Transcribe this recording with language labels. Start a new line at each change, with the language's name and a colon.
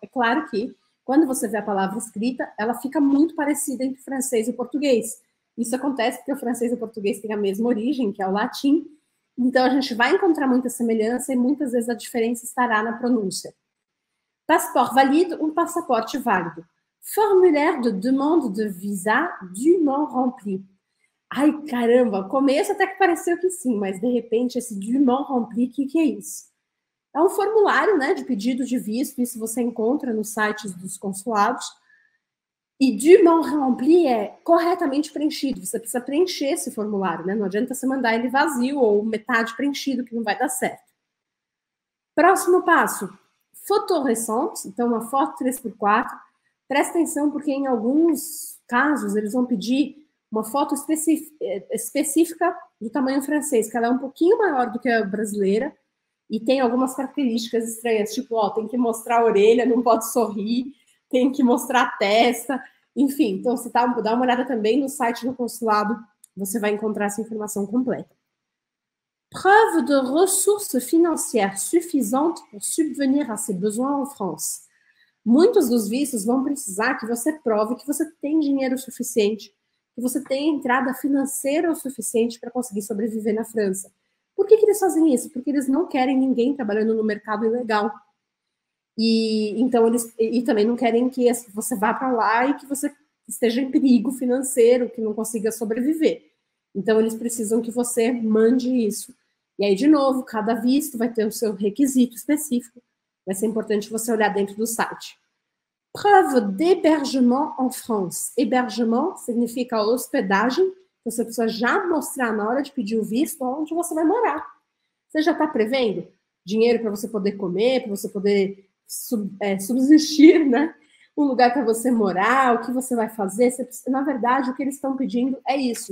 Portuguese: É claro que, quando você vê a palavra escrita, ela fica muito parecida entre francês e português. Isso acontece porque o francês e o português têm a mesma origem, que é o latim. Então, a gente vai encontrar muita semelhança e muitas vezes a diferença estará na pronúncia.
French: Passeport valide,
Portuguese: um passaporte válido.
French: Formulaire de demande de visa dûment rempli.
Portuguese: Ai, caramba, começo até que pareceu que sim, mas de repente esse
French: dûment rempli,
Portuguese: o que, que é isso? É um formulário, né, de pedido de visto, isso você encontra nos sites dos consulados. E
French: dûment rempli
Portuguese: é corretamente preenchido, você precisa preencher esse formulário, né? Não adianta você mandar ele vazio ou metade preenchido, que não vai dar certo. Próximo passo,
French: photo récente,
Portuguese: então uma foto 3x4. Presta atenção, porque em alguns casos eles vão pedir uma foto específica do tamanho francês, que ela é um pouquinho maior do que a brasileira e tem algumas características estranhas, tipo, ó, tem que mostrar a orelha, não pode sorrir, tem que mostrar a testa, enfim. Então, você tá, dá uma olhada também no site do consulado, você vai encontrar essa informação completa.
French: Preuve de ressources financières suffisantes pour subvenir à ses besoins en France.
Portuguese: Muitos dos vistos vão precisar que você prove que você tem dinheiro suficiente, que você tem entrada financeira o suficiente para conseguir sobreviver na França. Por que, que eles fazem isso? Porque eles não querem ninguém trabalhando no mercado ilegal. E, então eles, e também não querem que você vá para lá e que você esteja em perigo financeiro, que não consiga sobreviver. Então eles precisam que você mande isso. E aí, de novo, cada visto vai ter o seu requisito específico. Vai ser importante você olhar dentro do site.
French: Preuve d'hébergement en France.
Portuguese: Hébergement significa hospedagem. Você precisa já mostrar na hora de pedir o visto onde você vai morar. Você já está prevendo dinheiro para você poder comer, para você poder subsistir, né? Um lugar para você morar, o que você vai fazer. Você precisa... Na verdade, o que eles estão pedindo é isso.